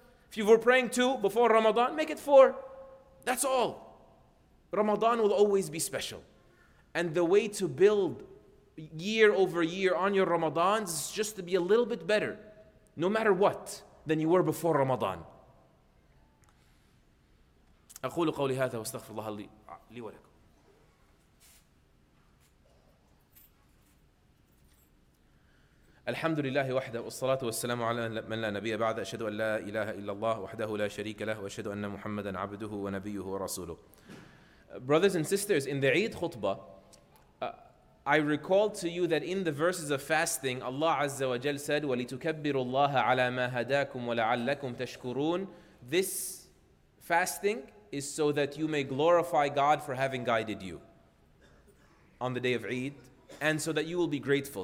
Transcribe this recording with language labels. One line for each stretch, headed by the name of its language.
English: If you were praying 2 before Ramadan, make it 4. That's all. Ramadan will always be special. And the way to build year over year on your Ramadans is just to be a little bit better, no matter what, than you were before Ramadan.
Arabic: أقول قولي هذا واستغفر الله لي ولك. الحمد لله وحده والصلاة والسلام على من لا نبي بعد أشهد أن لا إله إلا الله وحده لا شريك له وأشهد أن محمدا عبده ونبيه ورسوله.
English: Brothers and sisters, in the Eid khutbah, I recall to you that in the verses of fasting, Allah Azza wa Jal said,
Arabic: وَلِتُكَبِّرُوا اللَّهَ عَلَى مَا هَدَاكُمْ وَلَعَلَّكُمْ تَشْكُرُونَ.
English: This fasting is so that you may glorify God for having guided you on the day of Eid, and so that you will be grateful.